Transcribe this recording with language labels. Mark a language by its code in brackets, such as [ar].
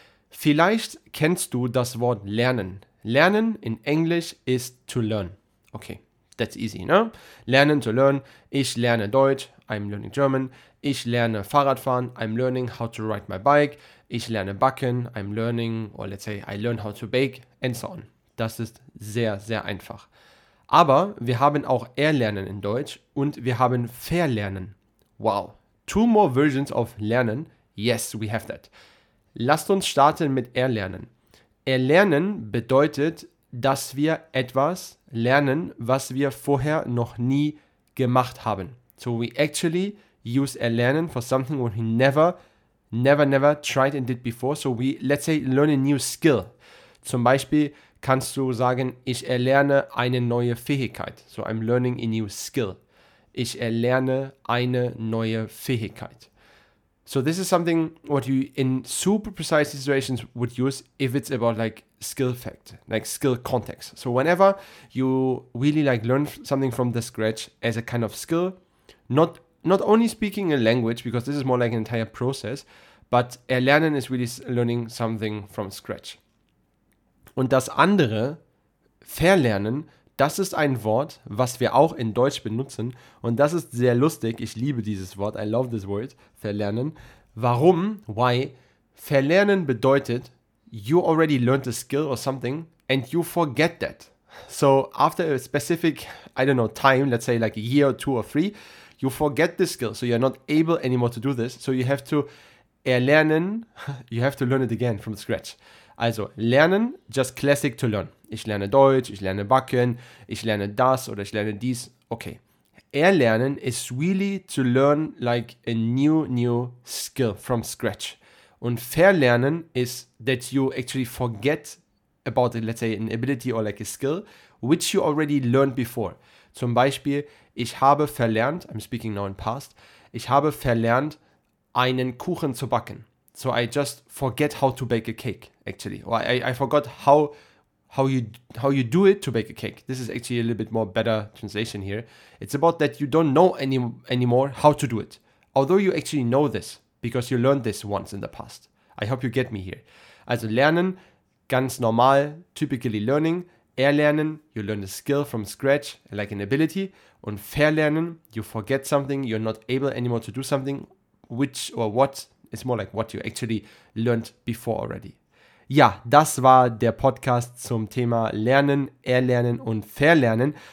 [de] Vielleicht kennst du das Wort lernen. Lernen in Englisch ist to learn. Okay. [en] That's easy, [de] ne? Lernen to learn. Ich lerne Deutsch. [en] I'm learning German. [de] Ich lerne Fahrradfahren. [en] I'm learning how to ride my bike. [de] Ich lerne backen. [en] I'm learning, or let's say, I learn how to bake. And so on. [de] Das ist sehr, sehr einfach. Aber wir haben auch erlernen in Deutsch und wir haben verlernen. [en] Wow. Two more versions of lernen. Yes, we have that. [de] Lasst uns starten mit erlernen. Erlernen bedeutet, dass wir etwas lernen, was wir vorher noch nie gemacht haben. [en] So we actually use erlernen for something we never tried and did before. So we, let's say, learn a new skill. [de] Zum Beispiel kannst du sagen, ich erlerne eine neue Fähigkeit. [en] So I'm learning a new skill. [de] Ich erlerne eine neue Fähigkeit. [en] So this is something what you in super precise situations would use if it's about like skill fact, like skill context. So whenever you really like learn something from the scratch as a kind of skill, not only speaking a language, because this is more like an entire process, but erlernen is really learning something from scratch. [de] Und das andere, verlernen, das ist ein Wort, was wir auch in Deutsch benutzen und das ist sehr lustig. Ich liebe dieses Wort. [en] I love this word, [de] verlernen. Warum? [en] Why? [de] Verlernen bedeutet, [en] you already learned a skill or something and you forget that. So after a specific, I don't know, time, let's say like a year or two or three, you forget the skill. So you're not able anymore to do this. So you have to erlernen, you have to learn it again from scratch. [de] Also lernen, [en] just classic to learn. [de] Ich lerne Deutsch, ich lerne backen, ich lerne das oder ich lerne dies. [en] Okay. Erlernen is really to learn like a new skill from scratch. Und verlernen is that you actually forget about, let's say, an ability or like a skill, which you already learned before. [de] Zum Beispiel, ich habe verlernt, [en] I'm speaking now in past, [de] ich habe verlernt, einen Kuchen zu backen. [en] So I just forget how to bake a cake, actually. Or I forgot how you do it to bake a cake. This is actually a little bit more better translation here. It's about that you don't know anymore how to do it, although you actually know this because you learned this once in the past. I hope you get me here. [de] Also lernen, ganz normal, [en] typically learning. Erlernen, you learn a skill from scratch, like an ability. Und verlernen, you forget something, you're not able anymore to do something, which or what, it's more like what you actually learned before already. [de] Ja, das war der Podcast zum Thema Lernen, Erlernen und Verlernen.